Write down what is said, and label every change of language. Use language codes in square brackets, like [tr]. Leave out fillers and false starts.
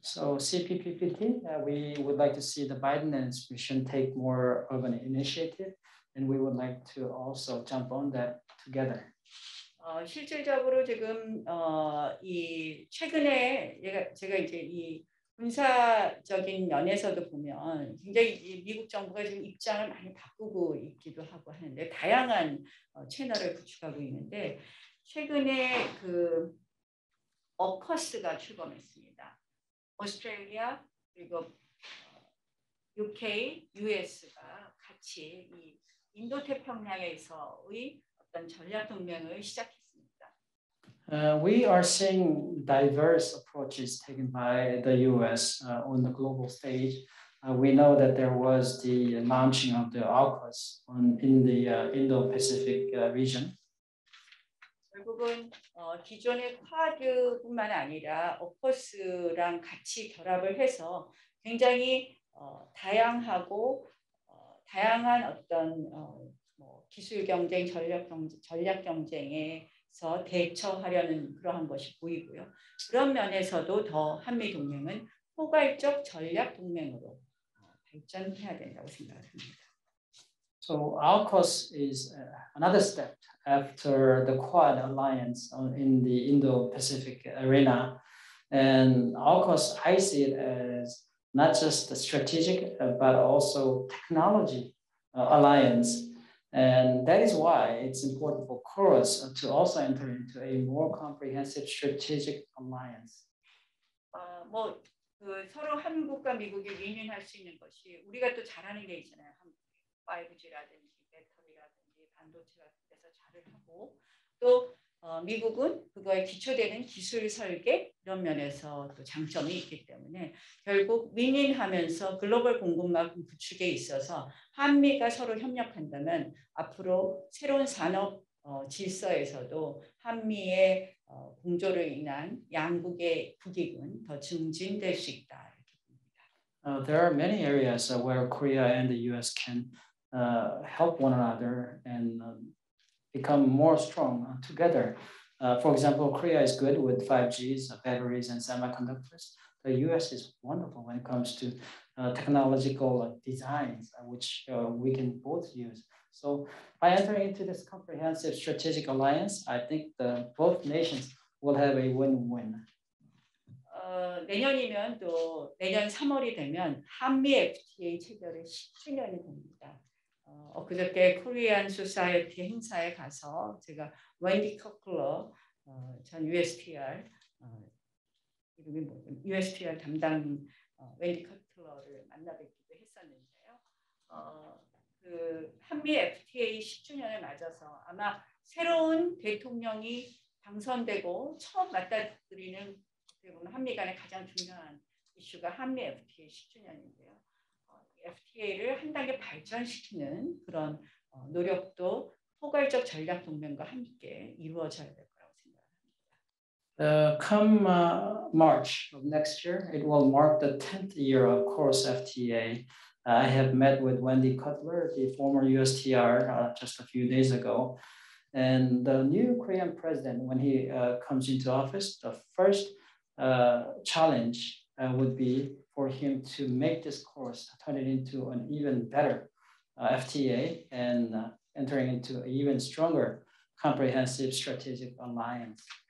[en] So CPTPP, we would like to see the Biden administration take more of an initiative, and we would like to also jump on that together. [ko] 실질적으로 지금 이 최근에 제가 이제 이 군사적인 면에서도 보면 굉장히 미국 정부가 지금 입장을 많이 바꾸고 있기도 하고 하는데 다양한 채널을 구축하고 있는데 최근에 그 어커스가 출범했습니다. 오스트레일리아 그리고 UK, US가 같이 이 인도태평양에서의 어떤 전략 동맹을 시작했습니다. [en] We are seeing diverse approaches taken by the U.S. On the global stage. We know that there was the launching of the AUKUS in the Indo-Pacific region. [ko] 결국은 기존의 쿼드뿐만 아니라 AUKUS랑 같이 결합을 해서 굉장히 다양하고 다양한 어떤 뭐 기술 경쟁, 전략 경쟁에 서 대처하려는 그러한 것이 보이고요. 그런 면에서도 더 한미 동맹은 포괄적 전략 동맹으로 발전해야 된다고 생각합니다. [en] So AUKUS is another step after the Quad Alliance in the Indo-Pacific arena, and AUKUS I see it as not just a strategic but also technology alliance. And that is why it's important for CORUS to also enter into a more comprehensive strategic alliance. [ko] 뭐그 서로 한국과 미국이 윈윈할 수 있는 것이 우리가 또 잘하는 게 있잖아요. 5G라든지 배터리라든지 반도체 같은 데서 잘을 하고 또 미국은 그거에 기초되는 기술 설계 이런 면에서 또 장점이 있기 때문에 결국 윈윈하면서 글로벌 공급망 구축에 있어서 한미가 서로 협력한다면 앞으로 새로운 산업 질서에서도 한미의 공조로 인한 양국의 국익은 더 증진될 수 있다. [en] There are many areas where Korea and the U.S. can help one another and become more strong together. For example, Korea is good with 5Gs, batteries, and semiconductors. The U.S. is wonderful when it comes to technological designs, which we can both use. So by entering into this comprehensive strategic alliance, I think the both nations will have a win-win. [ko] 내년이면 또 내년 3월이 되면 한미 FTA 체결의 10주년이 됩니다. 그저께 코리안 소사이어티 행사에 가서 제가 웬디 커클러 전 USTR 이름이 뭐죠? USTR 담당 웬디 커클러를 만나뵙기도 했었는데요. 그 한미 FTA 10주년을 맞아서 아마 새로운 대통령이 당선되고 처음 맞닥뜨리는 그리고 한미 간의 가장 중요한 이슈가 한미 FTA 10주년인데요. FTA를 한 단계 발전시키는 그런 노력도 포괄적 전략 동맹과 함께 이루어져야 될 거라고 생각합니다. [en] Come March of next year, it will mark the 10th year of CORUS FTA. I have met with Wendy Cutler, the former USTR, just a few days ago. And the new Korean president, when he comes into office, the first challenge would be for him to make this course turn it into an even better FTA and entering into an even stronger comprehensive strategic alliance.